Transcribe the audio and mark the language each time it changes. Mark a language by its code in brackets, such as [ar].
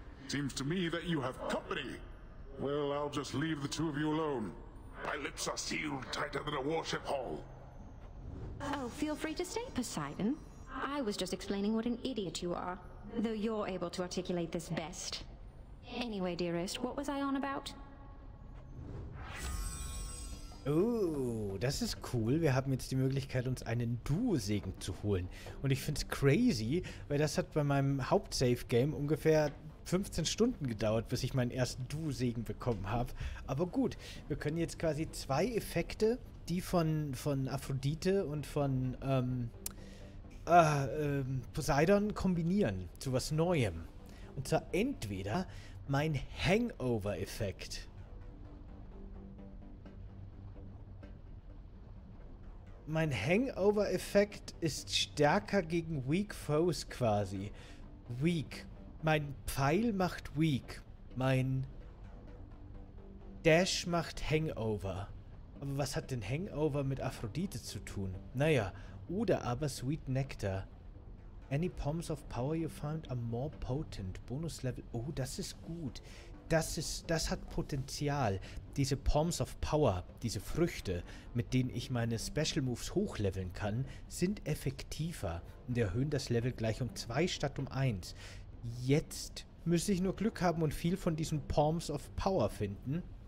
[en] Seems to me that you have company. Well, I'll just leave the two of you alone. My lips are sealed tighter than a warship hull. Oh, feel free to stay, Poseidon. I was just explaining what an idiot you are, though you're able to articulate this best. Anyway, dearest, what was I on about? [de] Das ist cool. Wir haben jetzt die Möglichkeit, uns einen Duo-Segen zu holen. Und ich find's crazy, weil das hat bei meinem Haupt-Save-Game ungefähr 15 Stunden gedauert, bis ich meinen ersten Duo-Segen bekommen habe. Aber gut, wir können jetzt quasi zwei Effekte, die von Aphrodite und von Poseidon kombinieren zu was Neuem. Und zwar entweder mein Hangover-Effekt. Mein Hangover-Effekt ist stärker gegen Weak Foes quasi. Weak. Mein Pfeil macht Weak. Mein Dash macht Hangover. Aber was hat denn Hangover mit Aphrodite zu tun? Naja, oder aber Sweet Nectar. [en] Any pumps of power you find are more potent. [de] Bonus Level. Oh, das ist gut. Das hat Potenzial. Diese Palms of Power, diese Früchte, mit denen ich meine Special Moves hochleveln kann, sind effektiver und erhöhen das Level gleich um 2 statt um 1. Jetzt müsste ich nur Glück haben und viel von diesen Palms of Power finden.